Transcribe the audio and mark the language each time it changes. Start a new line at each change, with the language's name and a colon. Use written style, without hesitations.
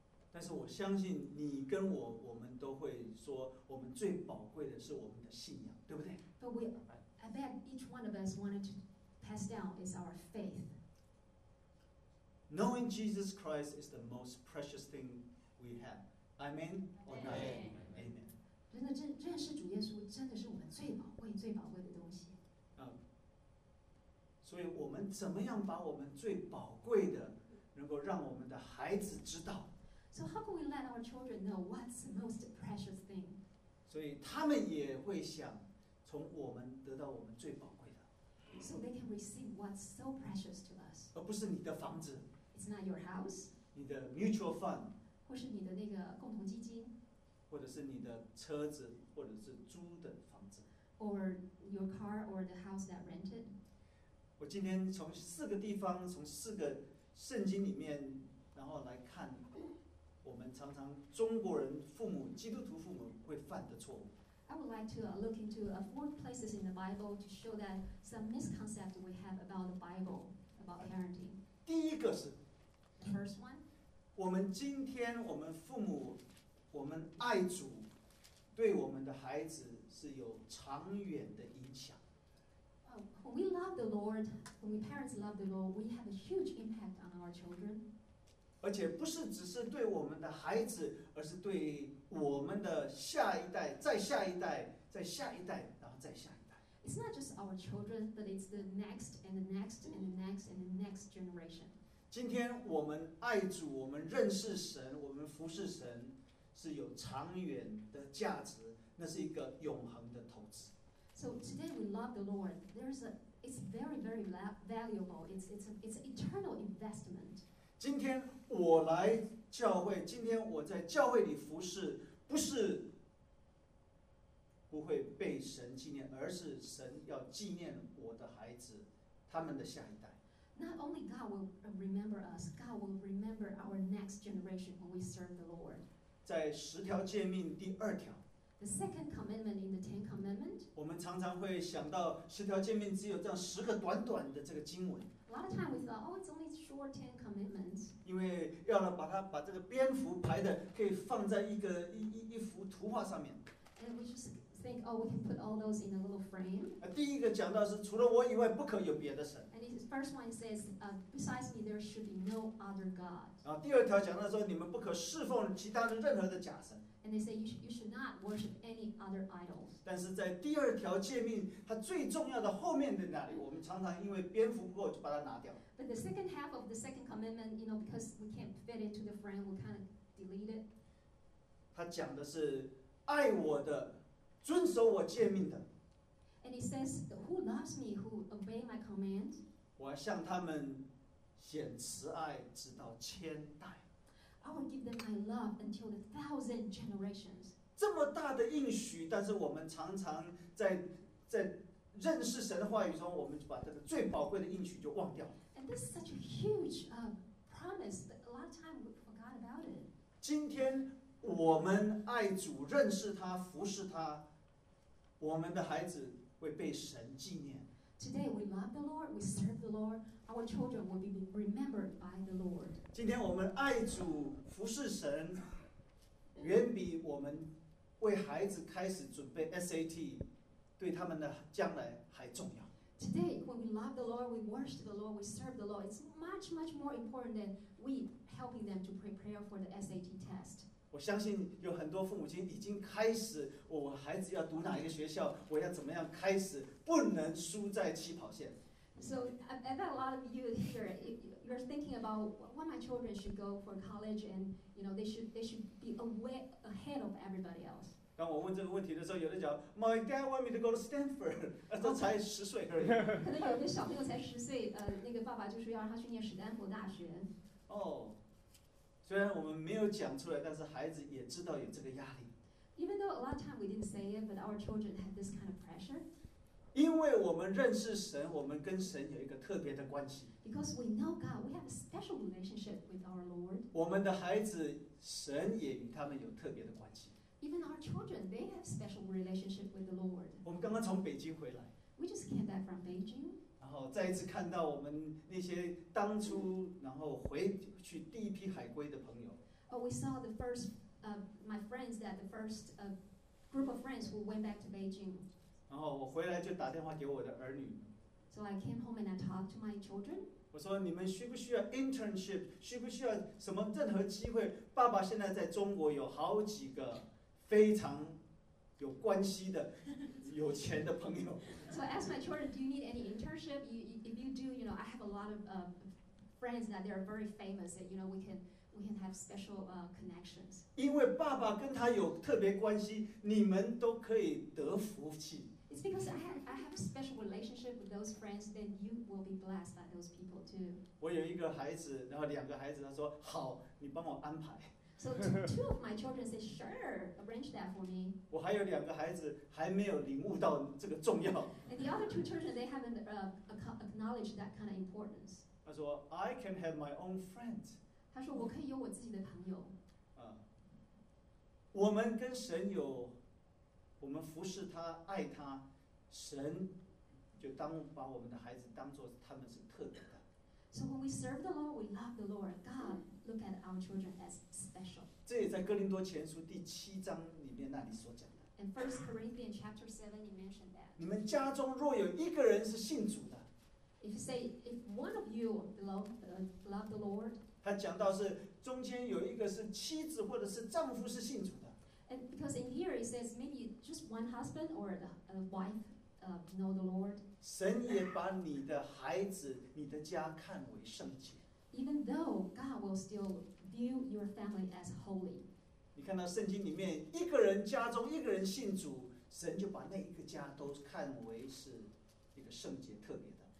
Chinese: 但是我相信你跟我们都会说，我们最宝贵的是我们的信仰，对不对？
English: But we. I bet each one of us wanted to pass down is our faith. Knowing Jesus Christ is the most precious thing we have. Amen or not? Amen. Amen.
Chinese: 真的，认识主耶稣真的是我们最宝贵、最宝贵的东西。所以我们怎么样把我们最宝贵的能够让我们的孩子知道
English: ？So how can we let our children know what's the most precious thing?
Chinese: 所以他们也会想。从我们得到我们最宝贵的
English: ，so they can receive what's so precious to us，
Chinese: 而不是你的房子
English: ，it's not your house，
Chinese: 你的 mutual fund，或是你的那个共同基金，或者是你的车子，或者是租的房子
English: ，or your car or the house that rented。
Chinese: 我今天从四个地方，从四个圣经里面，然后来看我们常常中国人父母、基督徒父母会犯的错误。
English: I would like to look into four places in the Bible to show that some misconception we have about the Bible. parenting?
Chinese: 第一个是
English: the first one，
Chinese: 我们今天我们父母，我们爱主，对我们的孩子是有长远的影响。
English: When we love the Lord, when we parents love the Lord, we have a huge impact on our children.
Chinese: 而且不是只是对我们的孩子，而是对我们的下一代，再下一代，再下一代，然后再下一代。
English: It's not just our children, but it's the next and the next and the next and the next generation.
Chinese: 今天我们爱主，我们认识神，我们服侍神。是有长远的价值，那是一个永恒的投资。
English: So today we love the Lord. There's a, it's very, very valuable. It's an eternal investment.
Chinese: 今天我来教会，今天我在教会里服侍，不是不会被神纪念，而是神要纪念我的孩子，他们的下一代。
English: Not only God will remember us, God will remember our next generation when we serve the Lord.
Chinese: 在十条诫命第二条
English: The second commandment in the Ten Commandment
Chinese: 我们常常会想到十条诫命只有这样十个短短的这个经文
English: A lot of time we thought, oh, it's only short Ten Commandments
Chinese: 因为要把它把这个蝙蝠排的可以放在一个 一幅图画上面
English: And we just think, oh, we can put all those in a little frame
Chinese: 第一个讲到是除了我以外不可有别的神
English: And the first one says, besides me there should be no other God
Chinese: 然后第二条讲到说你们不可侍奉其他的任何的假神
English: And they say you should not worship any other idols
Chinese: 但是在第二条诫命它最重要的后面的那里我们常常因为蝙蝠不够就把它拿掉
English: But the second half of the second commandment you know, because we can't fit into the frame we kind of delete it
Chinese: 它讲的是爱我的遵守我诫命的
English: And it says who loves me who obey my command
Chinese: 我要向他们显慈爱直到千代
English: I will give them my love until the thousand generations
Chinese: 这么大的应许但是我们常常在认识神的话语中我们就把这个最宝贵的应许就忘掉了
English: And this is such a huge promise that a lot of time we forgot about it
Chinese: 今天我们爱主认识他服侍他我们的孩子会被神纪念
English: Today we love the Lord, we serve the LordOur children will be remembered by the Lord.
Chinese: 今天我们爱主服侍神，远比我们为孩子开始准备 SAT 对他们的将来还重要。
English: Today, when we love the Lord, we worship the Lord, we serve the Lord, it's much, much more important than we helping them to prepare for the SAT test.
Chinese: 我相信有很多父母亲已经开始，我孩子要读哪一个学校，我要怎么样开始，不能输在起跑线。
English: So I bet a lot of you here, you're thinking about what my children should go for college, and you know they should be away ahead of everybody else.
Chinese: 当我问这个问题的时候，有的讲
English: ，My dad want me to go to Stanford.
Chinese: 他才十岁而已。可能有的小朋友才十岁，那个爸爸就是要让他去念史丹佛大学。哦，虽然我们没有讲出来，但是孩子也知道有这个压力。
English: Even though a lot of time we didn't say it, but our children had this kind of pressure.
Chinese: 因为我们认识神，我们跟神有一个特别的关系。
English: Because we know God, we have a special relationship with our Lord.
Chinese: 我们的孩子，神也与他们有特别的关系。
English: Even our children, they have a special relationship with the Lord.
Chinese: 我们刚刚从北京回来。
English: We just came back from Beijing.
Chinese: 然后再一次看到我们那些当初然后回去第一批海归的朋友。
English: Oh, we saw the first, my friends, that the first, group of friends who went back to Beijing.
Chinese: 然后我回来就打电话给我的儿女。
English: So I came home and I talked to my children.
Chinese: 我说你们需不需要 internship, 需不需要什么任何机会？爸爸现在在中国有好几个非常有关系的、有钱的朋友。
English: So I asked my children, do you need any internship? If you do, you know, I have a lot of friends that they are very famous that you know we can have special connections.
Chinese: 因为爸爸跟他有特别关系，你们都可以得福气。
English: It's because I have a special relationship with those friends, then you will be blessed by those people too.
Chinese: 我有一个孩子，然后两个孩子，他说好，你帮我安排。
English: So two of my children said, sure, arrange that for me.
Chinese: 我还有两个孩子还没有领悟到这个重要。
English: And the other two children, they haven't acknowledged that kind of importance.
Chinese: 他说
English: I can have my own friends.
Chinese: 他说：“我可以有我自己的朋友。” 啊，我们跟神有，我们服侍他、爱他，神就当把我们的孩子当做他们是特别的。
English: So serve the Lord, we love the Lord, God look at our children as special.
Chinese: 这也在哥林多前书第七章里面那里所讲的。
English: In 1 Corinthians chapter 7, you mentioned that.
Chinese: 你们家中若有一个人是信主的。
English: If you say, if one of you love the Lord,
Chinese: 他讲到是中间有一个是妻子或者是丈夫是信主的。
English: And because in here it says maybe just one husband or a wife know the Lord.
Chinese: 神也把你的孩子、你的家看为圣洁。
English: Even though God will still view your family as holy.
Chinese: 你看到圣经里面一个人家中一个人信主，神就把那一个家都看为是一个圣洁特别的。